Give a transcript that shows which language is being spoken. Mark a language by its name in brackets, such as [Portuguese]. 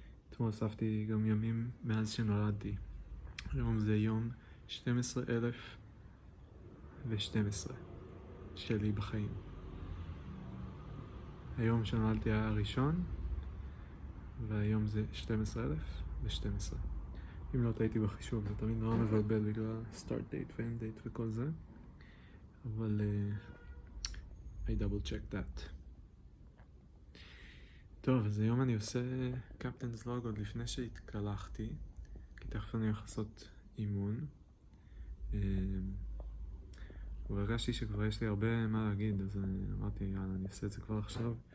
[Hebrew] אתמול אספתי גם ימים מאז שנולדתי. היום זה יום 12,012 שלי בחיים. היום שנולדתי היה הראשון, והיום זה 12,012. אם לא טעיתי בחישוב, זה תמיד נורא מבלבל בגלל start date ו-end date וכל זה. אבל [English] I double check that. [Hebrew] טוב, אז היום אני עושה קפטן'ס לוג עוד לפני שהתקלחתי, כי תכף אני הולך לעשות אימון. והרגשתי שכבר יש לי הרבה מה להגיד, אז אמרתי, יאללה, אני אעשה את זה כבר עכשיו.